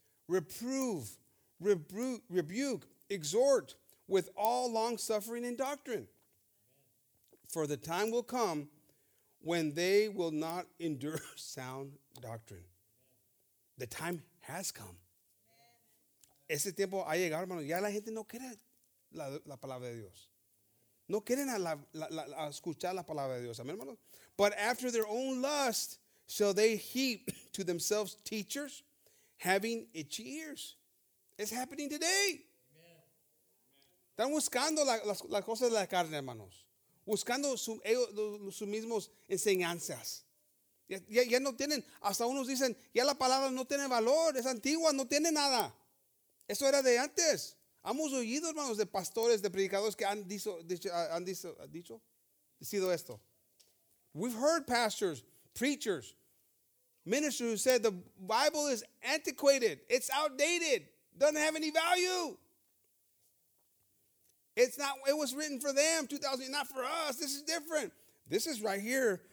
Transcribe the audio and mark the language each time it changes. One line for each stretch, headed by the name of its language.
English: Reprove, rebuke, exhort with all longsuffering and doctrine. For the time will come when they will not endure sound doctrine. The time has come.
Spanish: Ese tiempo ha llegado, hermano. Ya la gente no quiere la palabra de Dios. No quieren a escuchar la palabra de Dios. Amen, hermano.
English: But after their own lust shall they heap to themselves teachers having itchy ears. It's happening today.
Spanish: Están buscando las cosas de la carne, hermanos. Buscando sus mismos enseñanzas. Ya no tienen, hasta unos dicen, ya la palabra no tiene valor, es antigua, no tiene nada. Eso era de antes. Hemos oído, hermanos, de pastores, de predicadores que han dicho esto.
English: We've heard pastors, preachers, ministers who said the Bible is antiquated, it's outdated, doesn't have any value. It's not, it was written for them, 2000, not for us. This is different. This is right here.